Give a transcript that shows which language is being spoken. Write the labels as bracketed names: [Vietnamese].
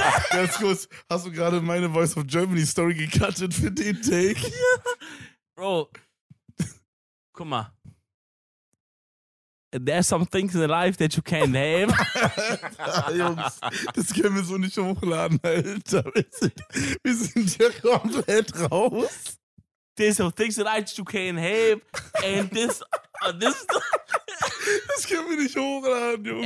[German] ganz kurz, hast du gerade meine Voice of Germany Story gecuttet für den Take? Bro, guck mal. [English] There's some things in life that you can't have. [German] Jungs, das können wir so nicht hochladen, Alter. Wir sind hier komplett raus. [English] There's some things in life that you can't have. And this... [German] das können wir nicht hochladen, Jungs.